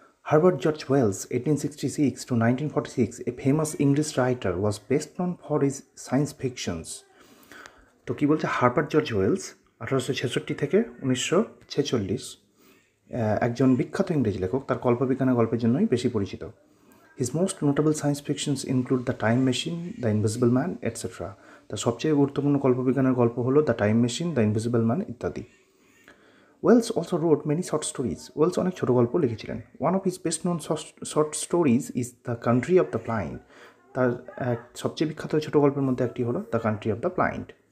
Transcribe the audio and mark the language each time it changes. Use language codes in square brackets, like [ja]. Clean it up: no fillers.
[en] Herbert George Wells 1866-1946, a famous English writer, was best known for his science fictions. [bn] তো কী বলছে Herbert George Wales 1866 থেকে 1946, একজন বিখ্যাত ইংরেজি লেখক, তার কল্পবিজ্ঞানের গল্পের জন্যই বেশি পরিচিত। [en] His most notable science fictions include The Time Machine, The Invisible Man, etc. [bn] তার সবচেয়ে গুরুত্বপূর্ণ কল্পবিজ্ঞানের গল্প হলো the time machine, the invisible man ইত্যাদি। [en] Wells also wrote many short stories. [bn] Wales অনেক ছোট গল্প লিখেছিলেন। [en] One of his best known short stories is the country of the blind. [bn] তার সবচেয়ে বিখ্যাত ছোট গল্পের মধ্যে একটি হলো the country of the blind.